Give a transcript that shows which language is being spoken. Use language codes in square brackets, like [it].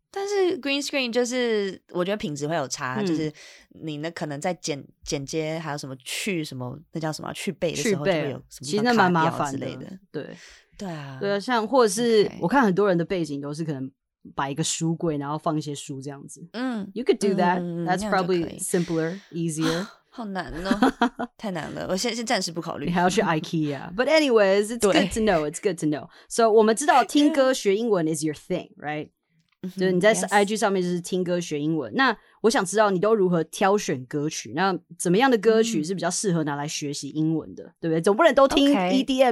[zh] 但是 green screen 就是我觉得品质会有差、就是你那可能在剪接还有什么去什么那叫什么去背的时候就会有什么其实那蛮麻烦的对对啊对啊像或者是、okay. 我看很多人的背景都是可能摆一个书柜然后放一些书这样子嗯 [en] you could do that、that's probably simpler easier [zh] 好难哦太难了我先暂时不考虑你还要去 IKEA [en] but anyways it's good to know it's good to know so [zh] 我们知道听歌学英文 [en] is your thing right [zh] 对，你在 IG 上面就是听歌学英文、 [en] yes. [zh] 那我想知道你都如何挑选歌曲那怎么样的歌曲是比较适合拿来学习英文的、对不对总不能都听 EDM、